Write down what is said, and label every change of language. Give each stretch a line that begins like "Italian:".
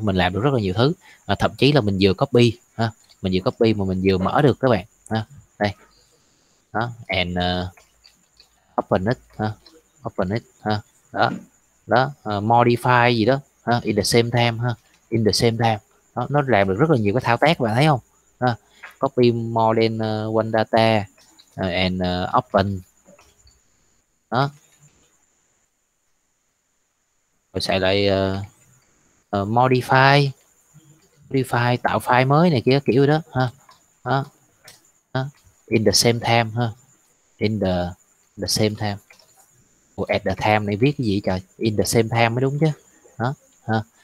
Vietnamese: Mình làm được rất là nhiều thứ, thậm chí là mình vừa copy ha, mình vừa copy mà mình vừa mở được các bạn ha. Đây đó,
English: and open it
Vietnamese: ha,
English: open it
Vietnamese: ha, đó modify gì đó ha,
English: in the same time
Vietnamese: đó, nó làm được rất là nhiều cái thao tác, bạn thấy không ha.
English: Copy more than one data and open đó.
Vietnamese: Rồi xài lại modify tạo file mới này kia kiểu đó ha,
English: in the same time
Vietnamese: ha, in the same time. Ủa,
English: at the time
Vietnamese: này viết cái gì trời,
English: in the same time
Vietnamese: mới đúng chứ đó, ha.